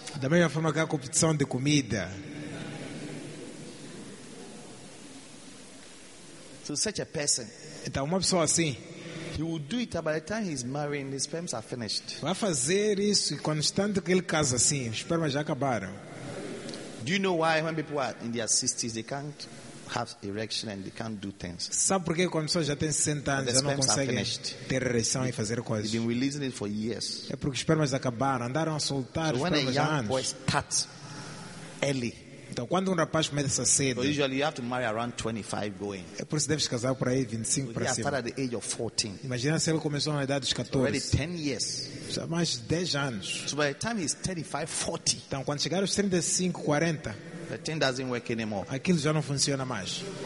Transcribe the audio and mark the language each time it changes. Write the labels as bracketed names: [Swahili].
[Portuguese] Da mesma forma que há competição de comida. [English] To such a person, [Portuguese] então uma pessoa assim, [English] he will do it by the time he's marrying, his sperms are finished. [Portuguese] Vai fazer isso e quando tanto que ele casa assim, os espermas já acabaram. [English] Do you know why when people are in their 60s they can't have erection and they can't do things? [Portuguese] Sabe por que quando a pessoa já tem 60 anos já não consegue ter ereção e fazer coisas? [English] They've been releasing it for years. [Portuguese] É porque os espermas acabaram, andaram a soltar os espermas já antes. [English] When a young boy starts early. [Portuguese] Então, quando rapaz começa a ser, [English] so usually you have to marry around 25 going. [Portuguese] É por isso que deves casar por aí 25 para cima. [English] At the age of 14. [Portuguese] Imagina se ele começou na idade dos 14. [English] Already 10 years. [Portuguese] Já mais 10 anos. [English] So by the time he's 35, 40. [Portuguese] Então, quando chegar aos 35, 40, [English] the thing doesn't work anymore. [Portuguese] Aquilo já não funciona mais.